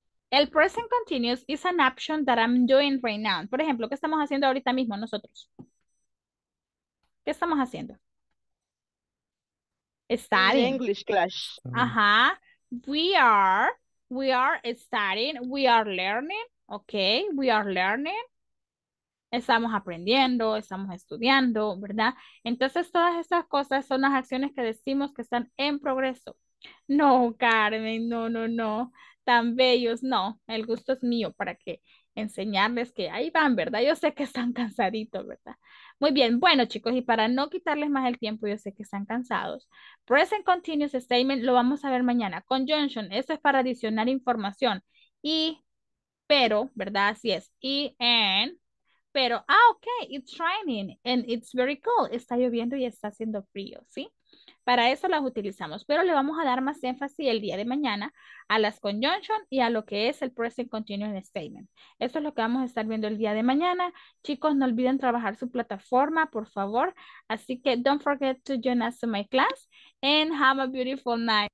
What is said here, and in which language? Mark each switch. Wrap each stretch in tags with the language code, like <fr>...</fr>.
<es>El</es> <en>present continuous is an action that I'm doing right now.</en> <es>Por ejemplo, ¿qué estamos haciendo ahorita mismo nosotros? ¿Qué estamos haciendo?</es> <en>Studying. In English class. Ajá. We are studying. We are learning. Okay. We are learning.</en> <es>Estamos aprendiendo, estamos estudiando, ¿verdad? Entonces, todas estas cosas son las acciones que decimos que están en progreso. No, Carmen, no. Tan bellos, no. El gusto es mío para que enseñarles que ahí van, ¿verdad? Yo sé que están cansaditos, ¿verdad? Muy bien, bueno, chicos, y para no quitarles más el tiempo, yo sé que están cansados. Present continuous statement lo vamos a ver mañana. Conjunction, eso es para adicionar información. Y, pero, ¿verdad? Así es. Y, and... Pero,</es> <en>ok, it's raining and it's very cold.</en> <es>Está lloviendo y está haciendo frío, ¿sí? Para eso las utilizamos, pero le vamos a dar más énfasis el día de mañana a las conjunctions y a lo que es el present continuous statement. Eso es lo que vamos a estar viendo el día de mañana. Chicos, no olviden trabajar su plataforma, por favor. Así que</es> <en>don't forget to join us in my class and have a beautiful night.</en>